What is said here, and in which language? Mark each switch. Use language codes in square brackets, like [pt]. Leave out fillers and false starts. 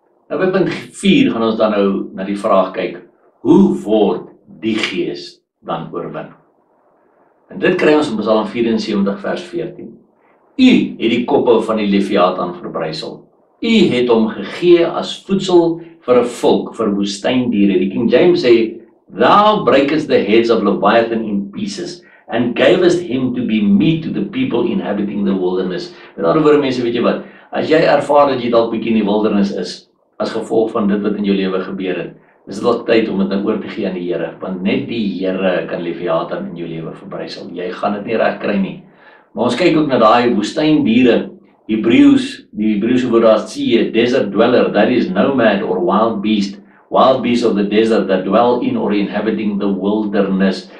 [af] Nou by punt 4 gaan ons dan nou na die vraag kyk, hoe word die gees dan oorwin? En dit kry ons in Psalm 74 vers 14. U het die koppe van die Leviathan verbrysel. U het hom gegee as voedsel vir 'n volk, vir woestyndiere. Die King James sê, [en] Thou breakest the heads of Leviathan in pieces and gavest him to be meat to the people inhabiting the wilderness. [af] Met ander woorde mense, weet jy wat, as jy ervaar dat jy dalk bietjie in die wildernis is, as gevolg van dit wat in jou lewe gebeur het, is dit al tyd om dit nou oor te gee aan die Here, want net die Here kan Leviathan in jou lewe verbrysel. Jy gaan dit nie reg kry nie. Maar ons kyk ook na daai woestyn diere, Hebreëus, die Hebreëse woord daar sê, [en] desert dweller, that is nomad or wild beast of the desert that dwell in or inhabiting the wilderness.